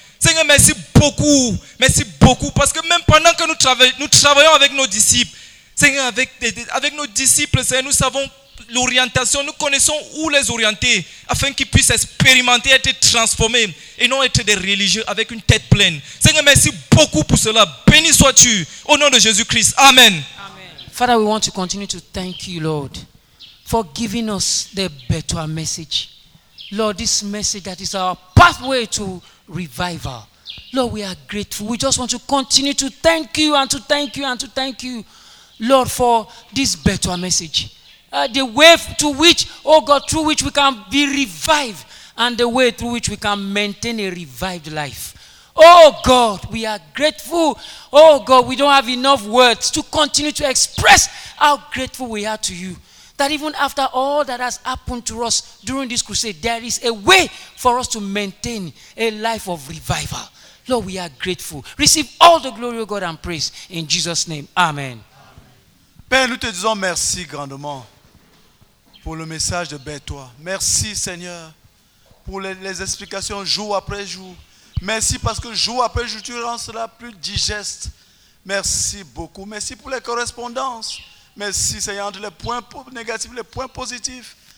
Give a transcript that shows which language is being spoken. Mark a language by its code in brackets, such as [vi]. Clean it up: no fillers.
[fr] Seigneur, merci beaucoup parce que même pendant que nous travaillons avec nos disciples, Seigneur, avec nos disciples, Seigneur, nous savons l'orientation, nous connaissons où les orienter afin qu'ils puissent expérimenter, être transformés et non être des religieux avec une tête pleine. Seigneur, merci beaucoup pour cela. Béni sois-tu au nom de Jésus-Christ. Amen. Amen. [en] Father, we want to continue to thank you, Lord, for giving us the better message. Lord, this message that is our pathway to revival. Lord, we are grateful. We just want to continue to thank you and to thank you and to thank you. Lord, for this better message, the way to which, oh God, through which we can be revived, and the way through which we can maintain a revived life. Oh God, we are grateful. Oh God, we don't have enough words to continue to express how grateful we are to you. That even after all that has happened to us during this crusade, there is a way for us to maintain a life of revival. Lord, we are grateful. Receive all the glory, O God, and praise in Jesus' name. Amen. [fr] Père, nous te disons merci grandement pour le message de Bertoi. Merci, Seigneur, pour les explications jour après jour. Merci parce que jour après jour, tu rends cela plus digeste. Merci beaucoup. Merci pour les correspondances. Merci, Seigneur, entre les points négatifs et les points positifs.